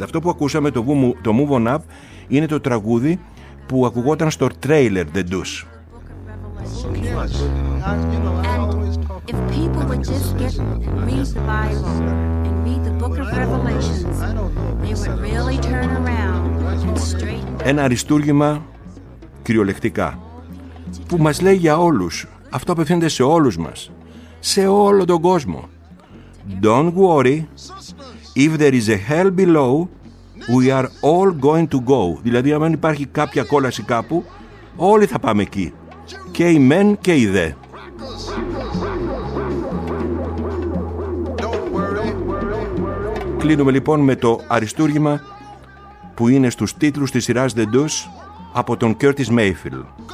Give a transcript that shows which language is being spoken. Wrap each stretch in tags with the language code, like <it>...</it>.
<el>Αυτό που ακούσαμε, το Move On Up, είναι το τραγούδι που ακουγόταν στο τρέιλερ The Deuce. Ένα αριστούργημα κυριολεκτικά που μας λέει για όλους, αυτό απευθύνεται σε όλους μας, σε όλο τον κόσμο.</el> <en>Don't worry, if there is a hell below, we are all going to go.</en> <el>Δηλαδή, αν υπάρχει κάποια κόλαση κάπου, όλοι θα πάμε εκεί. Και οι μεν και οι δε. Κλείνουμε λοιπόν με το αριστούργημα που είναι στους τίτλους της σειράς The Deuce από τον Curtis Mayfield.</el>